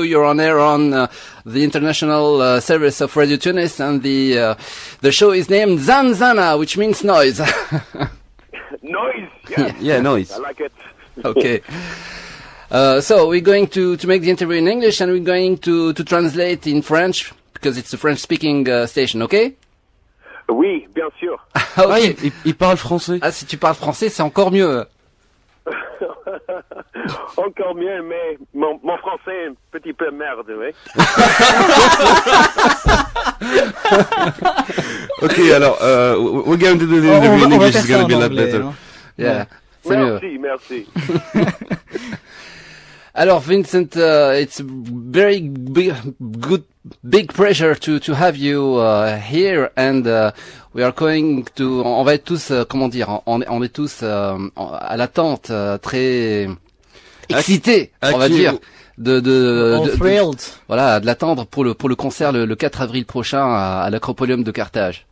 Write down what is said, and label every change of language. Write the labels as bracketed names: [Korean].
[English] You're on air on the International Service of Radio Tunis, and the show is named Zanzana, which means noise. Noise, yeah. Yeah, noise. I like it. Okay. So we're going to make the interview in English, and we're going to translate in French, because it's a French-speaking station, okay? [French] Oui, bien sûr. Okay. Ah, il parle français. Ah, si tu parles français, c'est encore mieux. Encore mieux, mais mon français est un petit peu merde, oui. [English] Ok, alors, we're going to do the interview in English, it's going to be a lot better. Yeah, [French] c'est mieux. Merci, merci. Alors, Vincent, [English] it's very big pleasure to have you here, and we are going to, [French] on va être tous, comment dire, on est tous à l'attente, très excité, on va dire, de l'attendre pour le concert le 4 avril prochain à l'Acropolium de Carthage.